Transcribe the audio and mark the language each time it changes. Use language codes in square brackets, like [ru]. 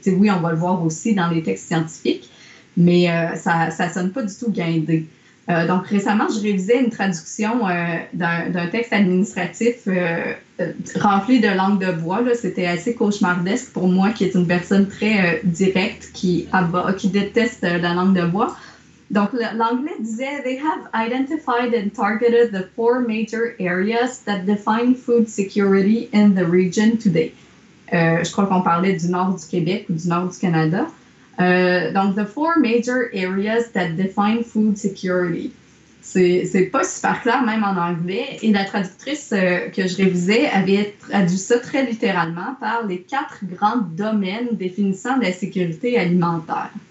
[fr] T'sais, oui, on va le voir aussi dans les textes scientifiques, mais ça ne sonne pas du tout guindé. Donc, récemment, je révisais une traduction d'un texte administratif rempli de langue de bois. Là. C'était assez cauchemardesque pour moi, qui est une personne très directe, qui déteste la langue de bois. Donc, l'anglais disait [en] « They have identified and targeted the four major areas that define food security in the region today. [fr] » Je crois qu'on parlait du nord du Québec ou du nord du Canada. Donc, « [en] The four major areas that define food security. [fr] » C'est pas super clair, même en anglais. Et la traductrice que je révisais avait traduit ça très littéralement par les quatre grands domaines définissant la sécurité alimentaire.